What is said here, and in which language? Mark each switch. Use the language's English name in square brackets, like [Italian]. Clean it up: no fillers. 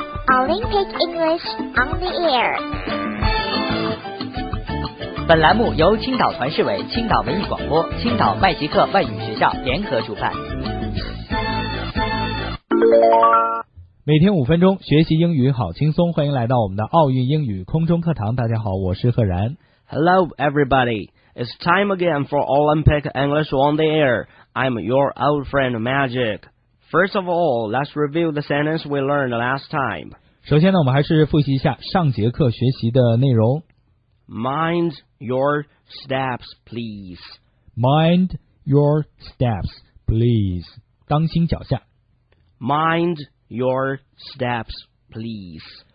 [English] Olympic English on the air。 [Chinese] 本栏目由青岛团市委、青岛文艺广播、青岛麦吉特外语学校联合主办。每天五分钟学习英语好轻松，欢迎来到我们的奥运英语空中课堂。大家好，我是贺然。 [English] Hello everybody, it's time again for Olympic English on the air. I'm your old friend Magic. First of all, let's review the sentence we learned last time. [Chinese] 首先呢，我们还是复习一下上节课学习的内容。 [English] Mind your steps, please. Mind your steps, please. [Chinese] 当心脚下。 [English] Mind your steps, please.